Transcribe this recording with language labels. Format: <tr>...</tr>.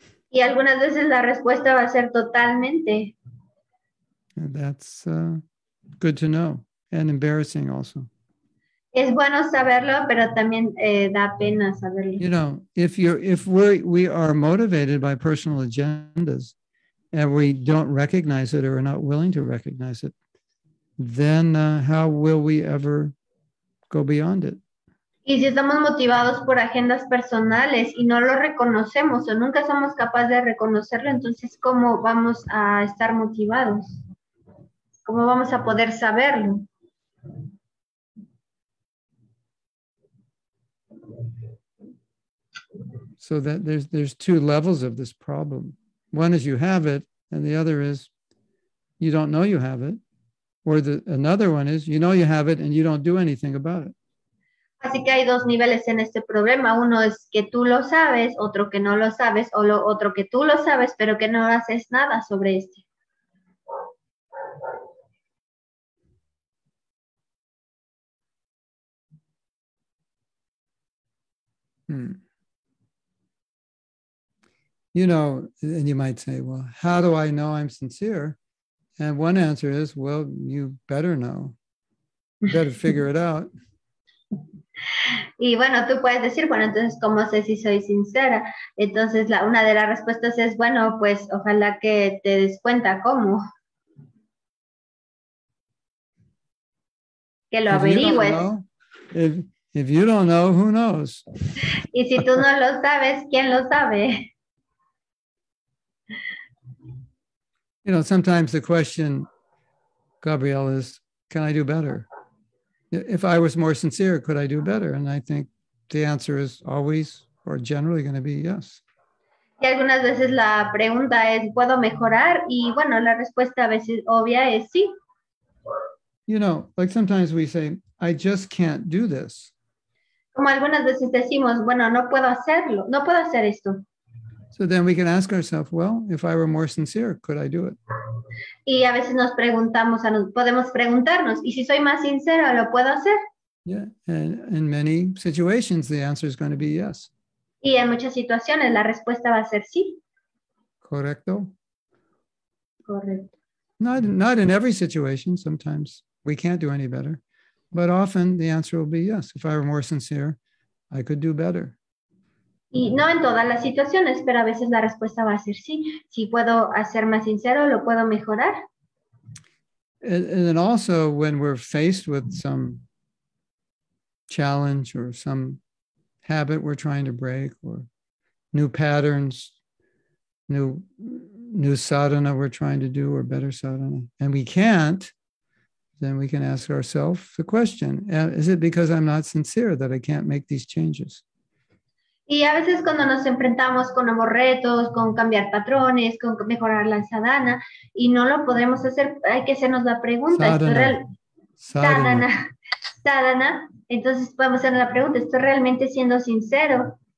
<es>Y algunas veces la respuesta va a ser totalmente.</es> <en>And that's good to know and embarrassing also.</en> <es>Es bueno saberlo, pero también da pena saberlo.</es> <en>You know, if we are motivated by personal agendas and we don't recognize it or are not willing to recognize it, then how will we ever go beyond it?</en> <es>Y si estamos motivados por agendas personales y no lo reconocemos o nunca somos capaces de reconocerlo, entonces ¿cómo vamos a estar motivados? ¿Cómo vamos a poder saberlo?</es> <en>So that there's two levels of this problem. One is you have it, and the other is you don't know you have it. Or another one is, you know you have it and you don't do anything about it.</en> <es>Así que hay dos niveles en este problema. Uno es que tú lo sabes, otro que no lo sabes, o lo otro que tú lo sabes, pero que no haces nada sobre este.</es> <en>You know, and you might say, well, how do I know I'm sincere? And one answer is, well, you better know. You better figure it out.</en> <es>Y bueno, tú puedes decir, bueno, entonces, ¿cómo sé si soy sincera? Entonces, una de las respuestas es, bueno, pues, ojalá que te des cuenta cómo. Que lo averigües.</es> <en>If you don't know, who knows?</en> <es>Y si tú no lo sabes, ¿quién lo sabe?</es> <en>You know, sometimes the question, Gabriel, is, can I do better? If I was more sincere, could I do better? And I think the answer is always or generally going to be yes.</en> <es>Y algunas veces la pregunta es, ¿puedo mejorar? Y bueno, la respuesta a veces obvia es sí.</es> <en>You know, like sometimes we say, I just can't do this.</en> <es>Como algunas veces decimos, bueno, no puedo hacerlo, no puedo hacer esto.</es> <en>So then we can ask ourselves, well, if I were more sincere, could I do it?</en> <es>Y a veces nos preguntamos, podemos preguntarnos, ¿y si soy más sincero, lo puedo hacer?</es> <en>Yeah, and in many situations, the answer is going to be yes.</en> <es>Y en muchas situaciones, la respuesta va a ser sí. Correcto. Correcto.</es> <en>Not in every situation, sometimes we can't do any better. But often the answer will be yes. If I were more sincere, I could do better.</en> <es>Y no en todas las situaciones, pero a veces la respuesta va a ser sí. Si puedo ser más sincero, lo puedo mejorar.</es> <en>And then also when we're faced with some challenge or some habit we're trying to break or new patterns, new sadhana we're trying to do or better sadhana, and we can't, then we can ask ourselves the question, is it because I'm not sincere that I can't make these changes?</en> <es>Y a veces cuando nos enfrentamos con nuevos retos, con cambiar patrones, con mejorar la sadhana, y no lo podemos hacer, hay que hacernos la pregunta. Sadhana. Entonces podemos hacer la pregunta, ¿estoy realmente siendo sincero?</es>